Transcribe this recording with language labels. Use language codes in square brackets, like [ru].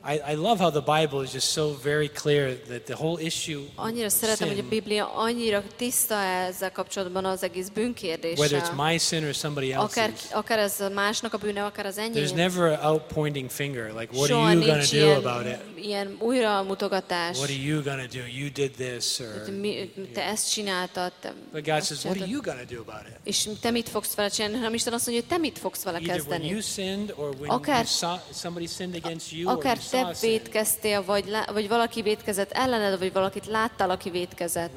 [en] I love how the Bible is just so very clear that the whole issue. [hu] Annyira szeretem, hogy a Biblia annyira tiszta ezzel kapcsolatban az egész bűnkérdéssel. [en] Whether it's my sin or somebody else's. [hu] Akár ez másnak a bűne, akár az enyém. [en] There's never an out-pointing finger. Like, what are you going to do about it? [hu] Ilyen újra mutogatás. [en] What are you going to do? You did this, or [hu] te ezt csináltad. [en] But God says, what are you going to do about it? [hu] És te mit fogsz vele csinálni? Hanem Isten azt mondja, te mit fogsz vele kezdeni? [en] Either when you sinned or when somebody sinned against you. [hu] Te vétkeztél, vagy valaki vétkezett ellened, vagy valakit láttál, aki vétkezett.